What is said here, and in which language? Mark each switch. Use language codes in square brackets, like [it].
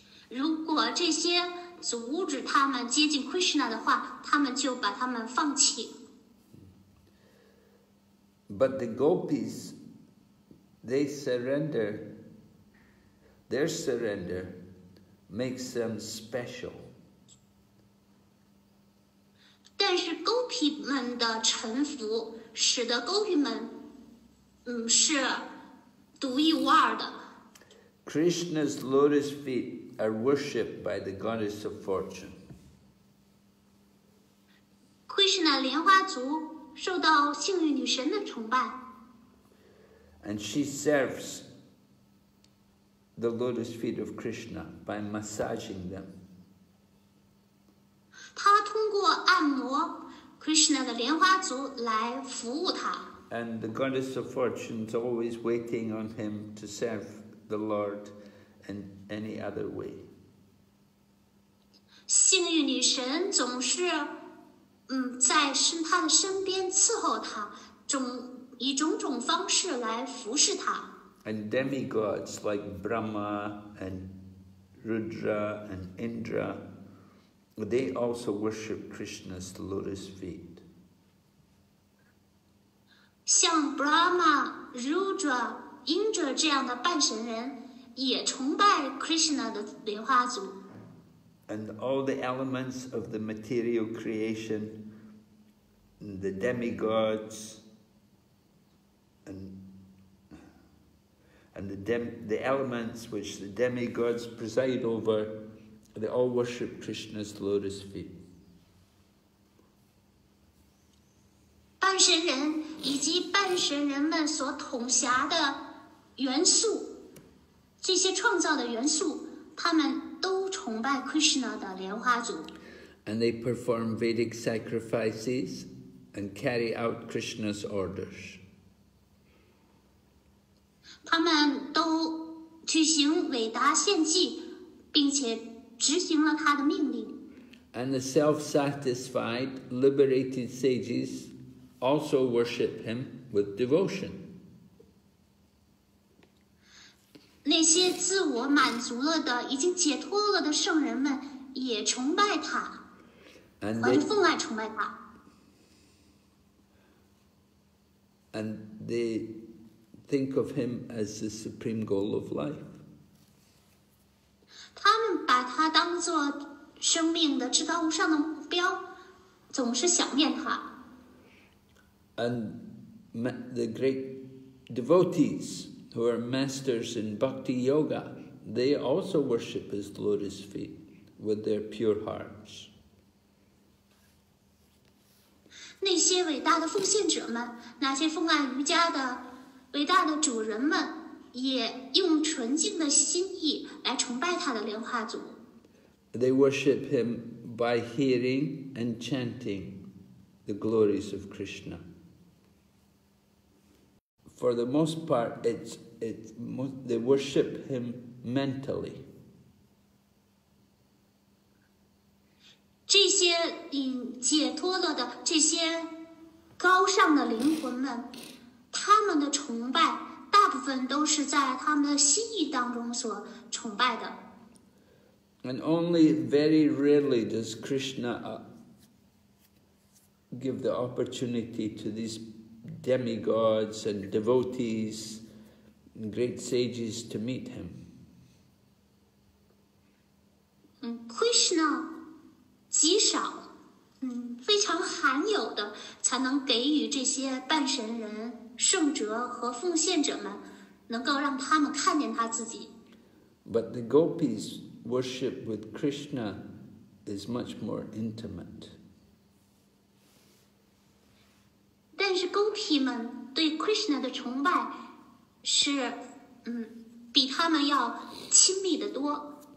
[zh] 如果这些阻止他们接近 Krishna 的话，他们就把他们放弃。 [en] But the gopis, they surrender, their surrender makes them special. [zh] 但是勾皮们的臣服使得勾皮们是独一无二的。 [en] Krishna's lotus feet are worshipped by the goddess of fortune. [zh] Krishna 莲花足受到幸运女神的崇拜。 [en] And she serves the lotus feet of Krishna by massaging them. [zh] 他通过按摩 Krishna 的莲花足来服务他。 [en] And the goddess of fortune is always waiting on him to serve the Lord in any other way. [zh] 幸运女神总是在他的身边伺候他，以种种方式来服侍他。 [en] And demigods like Brahma and Rudra and Indra. They also worship Krishna's lotus feet. [zh] 像 Brahma, Rudra, Indra 这样的半神人也崇拜 Krishna 的莲花足。 [en] And all the elements of the material creation, the demigods, and the elements which the demigods preside over,They all worship Krishna's lotus feet. [zh] 半神人以及半神人们所统辖的元素，这些创造的元素，他们都崇拜 Krishna 的莲花足。 [en] And they perform Vedic sacrifices and carry out Krishna's orders. [zh] 他们都举行韦达献祭，并且执行了他的命令。 [en] And the self-satisfied, liberated sages also worship him with devotion. [zh] 那些自我满足了的、已经解脱了的圣人们也崇拜他，和分外崇拜他。 [en] And they think of him as the supreme goal of life. [zh] 他们把他当作生命的至高无上的目标，总是想念他。 [en] And the great devotees who are masters in bhakti yoga, they also worship his lotus feet with their pure hearts. [zh] 那些伟大的奉献者们，那些奉爱瑜伽的伟大的主人们，也用纯净的心意来崇拜他的莲花祖。 [en] They worship him by hearing and chanting the glories of Krishna. For the most part, they worship him mentally. [zh] 这些解脱了的这些高尚的灵魂们，他们的崇拜大部分都是在他们的心意当中所崇拜的。 [en] And only very rarely does Krishna give the opportunity to these demigods and devotees and great sages to meet him. [zh] Krishna 极少，非常罕有的才能给予这些半神人、圣哲和奉献者们，能够让他们看见他自己。 [en] But the gopis worship with Krishna is much more intimate. [zh] 但是勾皮们对 Krishna 的崇拜是比他们要亲密的多。